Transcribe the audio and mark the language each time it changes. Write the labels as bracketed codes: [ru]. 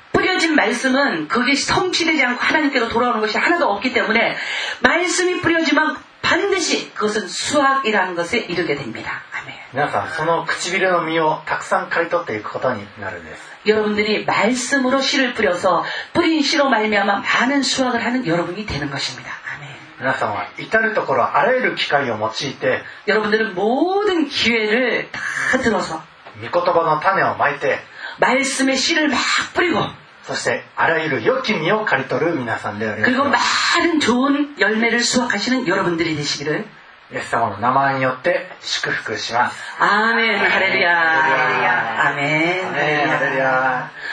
[ko] 뿌려진말씀은그게성취되지않고하나님께로돌아오는것이하나도없기때문에말씀이뿌려지면반드시그것은수확이라는것에이르게됩니다아멘 [ja] 皆さんその唇の実をたくさん刈り取っていくことになるんです [ko] 여러분들이말씀으로씨를뿌려서뿌린씨로말미암아많은수확을하는여러분이되는것입니다아멘 [ja] 皆さんは至る所あらゆる機会を用いて [ko] 여러분들은모든기회를다들어서 [ja] 御言葉の種をまいて [ko] 말씀의씨를막뿌리고 [ja] そしてあらゆる良き実を刈り取る皆さんであります [ko] 그리고많은좋은열매를수확하시는여러분들이되시기를 [ja] イエス様の名前によって祝福します。アーメン、ハレルヤ、アーメン、ハレルヤ。